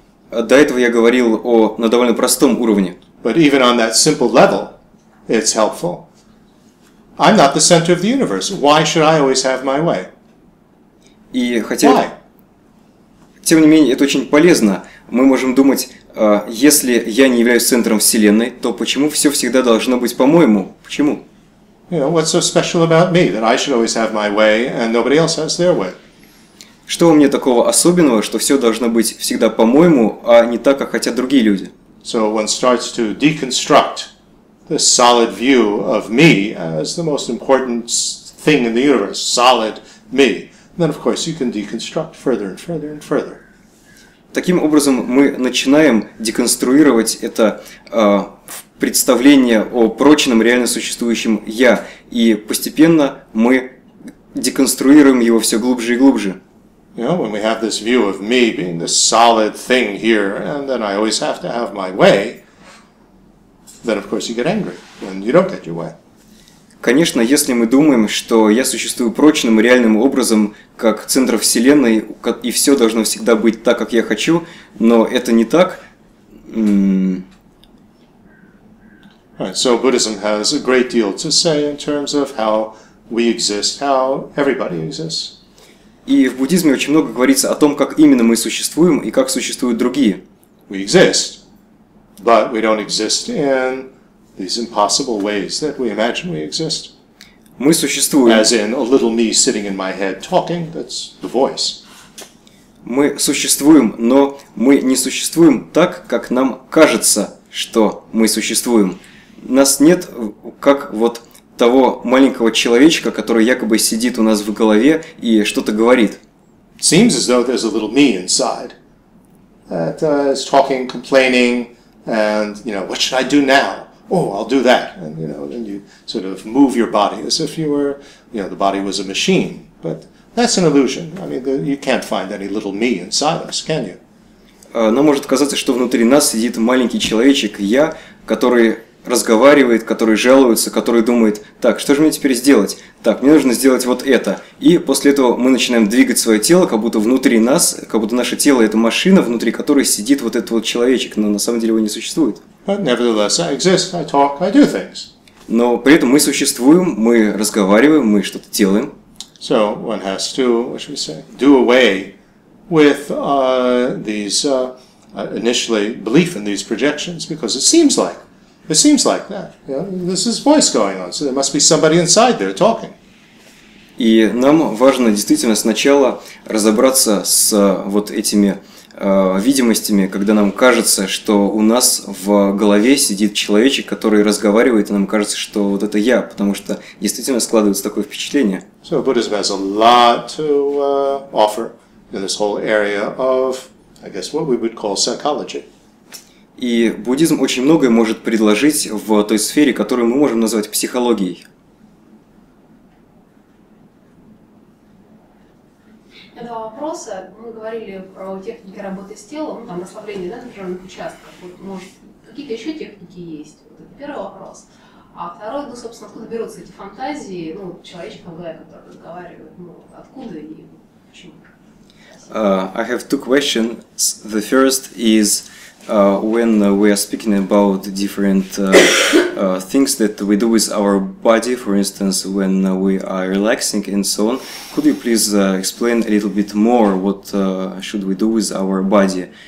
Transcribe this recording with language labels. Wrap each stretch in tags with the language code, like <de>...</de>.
<ru>До этого я говорил на довольно простом уровне.</ru> <en>But even on that simple level, it's helpful. I'm not the center of the universe. Why should I always have my way?</en> <ru>И хотя.</ru> <en>Why?</en> <ru>Тем не менее, это очень полезно. Мы можем думать, если я не являюсь центром Вселенной, то почему все всегда должно быть по-моему? Почему?</ru> <en>You know, what's so special about me that I should always have my way and nobody else has their way?</en> <ru>Что у меня такого особенного, что все должно быть всегда по-моему, а не так, как хотят другие люди?</ru> <en>So one starts to deconstruct the solid view of me as the most important thing in the universe, solid me. And then, of course, you can deconstruct further and further and further.</en> <ru>Таким образом, мы начинаем деконструировать это представление о прочном, реально существующем «я», и постепенно мы деконструируем его все глубже и глубже.</ru> <en>You know, when we have this view of me being this solid thing here, and then I always have to have my way, then, of course, you get angry, and you don't get your way.</en> <ru>Конечно, если мы думаем, что я существую прочным, реальным образом, как центр Вселенной, и все должно всегда быть так, как я хочу, но это не так.</ru> <en>Right, so Buddhism has a great deal to say in terms of how we exist, how everybody exists.</en> <ru>И в буддизме очень много говорится о том, как именно мы существуем и как существуют другие.</ru> <en>We exist, but we don't exist in these impossible ways that we imagine we exist.</en> <ru>Мы существуем.</ru> <en>As in a little me sitting in my head talking, that's the voice.</en> <ru>Мы существуем, но мы не существуем так, как нам кажется, что мы существуем. Нас нет как вот того маленького человечка, который якобы сидит у нас в голове и что-то говорит.</ru> <en>Seems as though there's a little me inside that is talking, complaining, and you know, what should I do now? Oh, I'll do that. And you know, then you sort of move your body as if you were, you know, the body was a machine. But that's an illusion. I mean, you can't find any little me inside us, can you?</en> <ru>Нам может казаться, что внутри нас сидит маленький человечек, я, который разговаривает, который жалуется, который думает, так, что же мне теперь сделать? Так, мне нужно сделать вот это. И после этого мы начинаем двигать свое тело, как будто внутри нас, как будто наше тело – это машина, внутри которой сидит вот этот вот человечек, но на самом деле его не существует.</ru> <en>But nevertheless, I exist, I talk, I do things.</en> <ru>Но при этом мы существуем, мы разговариваем, мы что-то делаем.</ru> <en>So one has to, what should we say, do away with these, initially, belief in these projections, because it seems like. It seems like that. Yeah, this is voice going on, so there must be somebody inside there talking.</en> <ru>И нам важно действительно сначала разобраться с вот этими видимостями, когда нам кажется, что у нас в голове сидит человечек, который разговаривает, и нам кажется, что вот это я, потому что действительно складывается такое впечатление.</ru> <en>So Buddhism has a lot to offer in this whole area of, I guess, what we would call psychology.</en> <ru>И буддизм очень многое может предложить в той сфере, которую мы можем назвать психологией. этого вопроса мы говорили про техники работы с телом, там расслабление, да, напряженных участков. Вот, может, какие-то еще техники есть? Вот это первый вопрос. А второй, ну, собственно, откуда берутся эти фантазии, ну, человечка в которой разговаривают, ну, откуда и почему?</ru> <en>I have two questions. The first is when we are speaking about different things that we do with our body, for instance, when we are relaxing and so on, could you please explain a little bit more what should we do with our body?</en>